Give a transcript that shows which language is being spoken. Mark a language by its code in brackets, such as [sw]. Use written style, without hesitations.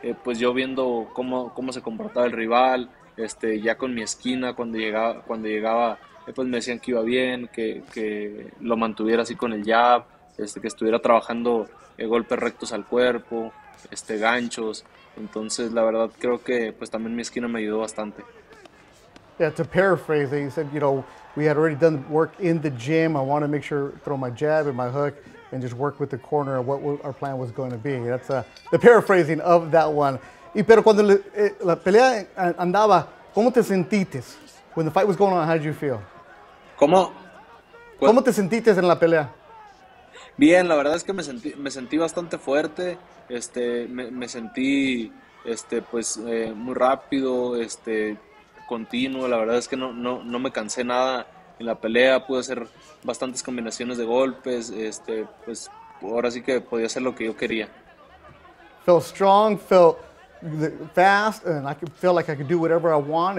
[es] pues yo viendo cómo se comportaba el rival, ya con mi esquina cuando llegaba, pues me decían que iba bien, que lo mantuviera así con el jab, que estuviera trabajando golpes rectos al cuerpo, ganchos. Entonces la verdad creo que pues también mi esquina me ayudó bastante. [en] Yeah, to paraphrase, he said, you know, we had already done work in the gym. I want to make sure throw my jab and my hook and just work with the corner of what our plan was going to be. That's the paraphrasing of that one. [es] Y pero cuando la pelea andaba, ¿cómo te sentiste? [en] When the fight was going on, how did you feel? [es] ¿Cómo te sentiste en la pelea? Bien, la verdad es que me sentí bastante fuerte. Me sentí muy rápido, continuo. La verdad es que no me cansé nada en la pelea, pude hacer bastantes combinaciones de golpes, pues ahora sí que podía hacer lo que yo quería. [en] Felt strong, felt fast, and I could feel like I could do whatever I want.